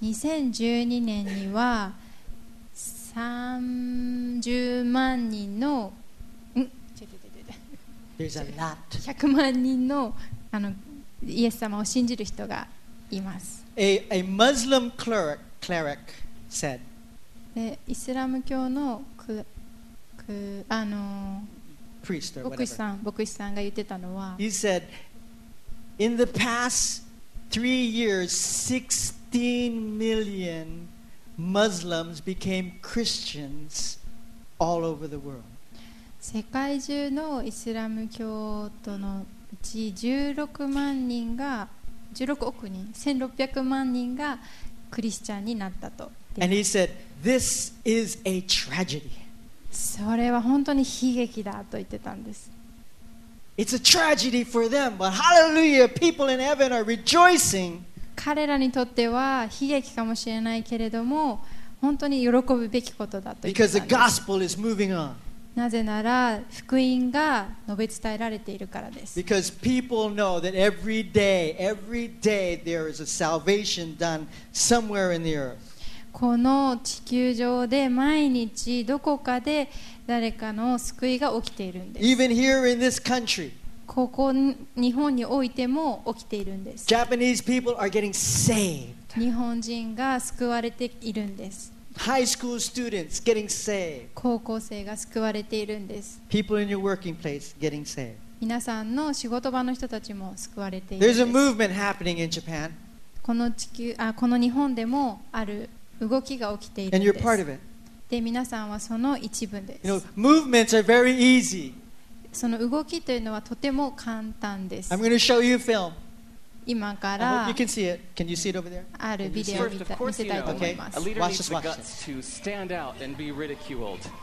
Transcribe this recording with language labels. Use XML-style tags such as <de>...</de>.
<ja>2012年には30万人の100万人 の, あのイエス様を信じる人がいます。</ja> <en>a Muslim cleric said、</en> <ja>でイスラム教 の, くあの</ja> <en>priest or</en> <ja>牧師さんが言ってたのは、</ja> <en>He said in the past three years 16 million Muslims became Christians all over the world。</en> <ja>世界中のイスラム教徒のうち16億人、1600万人がクリスチャンになったと。</ja> <en>And he said, "This is a tragedy."</en> <ja>それは本当に悲劇だと言ってたんです。</ja> <en>It's a tragedy for them, but hallelujah, people in heaven are rejoicing.</en> <ja>彼らにとっては悲劇かもしれないけれども、本当に喜ぶべきことだと言ってたんです。</ja> <en>Because the gospel is moving on.</en> <ja>なぜなら福音が述べ伝えられているからです。</ja> <en>Because people know that every day there is a salvation done somewhere in the earth。</en> <ja>この地球上で毎日どこかで誰かの救いが起きているんです。</ja> <en>Even here in this country。</en> <ja>ここ日本においても起きているんです。</ja> <en>Japanese people are getting saved。</en> <ja>日本人が救われているんです。</ja> <en>High school students getting saved.</en> <ja>高校生が救われているんです。</ja> <en>People in your working place getting saved.</en> <ja>皆さんの仕事場の人たちも救われているんです。</ja> <en>There's a movement happening in Japan.</en> <ja>この日本でもある動きが起きているんです。</ja> <en>And you're part of it.</en> <ja>で、皆さんはその一部です。</ja> <en>You know, movements are very easy.</en> <ja>その動きというのはとても簡単です。</ja> <en>I'm going to show you a film.</en> <ja>今から</ja> <en>ある can see it. Can you see it over there?</en> <ja>あるビデオを見せたいと思います。</ja> <en>A leader needs the guts to stand out and be ridiculed.</en>